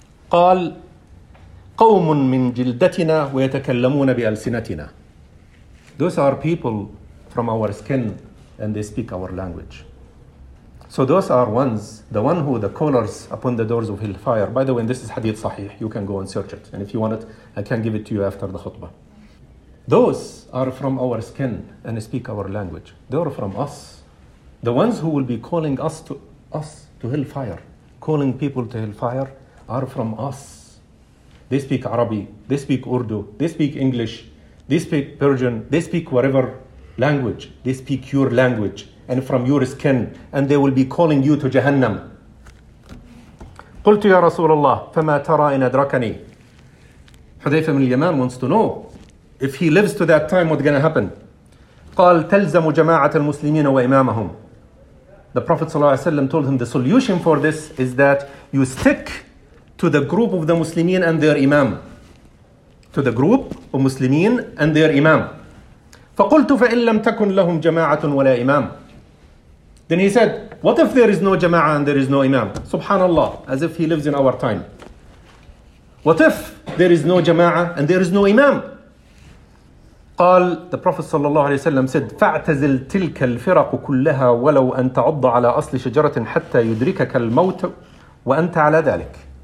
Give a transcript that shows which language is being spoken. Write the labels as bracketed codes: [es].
[ar] قال قوم من جلدتنا ويتكلمون بألسنتنا. [en] Those are people from our skin and they speak our language. So those are ones, the one who the callers upon the doors of hellfire. By the way, this is hadith sahih. You can go and search it. And if you want it, I can give it to you after the khutbah. Those are from our skin and speak our language. They are from us. The ones who will be calling us to hellfire, calling people to hellfire, are from us. They speak Arabic, they speak Urdu, they speak English, they speak Persian, they speak whatever language. They speak your language and from your skin, and they will be calling you to Jahannam. [ar] قلت يا رسول الله فما ترى إن أدركني. [en] حذيفة من اليمان wants to know if he lives to that time, what's going to happen. [ar] قال تلزم جماعة المسلمين وإمامهم. [en] The Prophet [ar] صلى الله عليه وسلم [en] told him the solution for this is that you stick to the group of the Muslimin and their Imam. To the group of Muslimin and their Imam. [ar] فقلت فإن لم تكن لهم جماعة ولا إمام. [en] Then he said, what if there is no jama'a and there is no imam? Subhanallah, as if he lives in our time. What if there is no jama'a and there is no imam? [ar] قال, [en] the Prophet sallallahu alayhi wa sallam said, [ar] فَاعْتَزِلْ تِلْكَ الْفِرَقُ كُلَّهَا وَلَوْ أَن تَعُضَّ عَلَىٰ أَصْلِ شَجَرَةٍ حَتَّى يُدْرِكَكَ الْمَوْتَ وَأَنْتَ عَلَىٰ ذَلِكَ.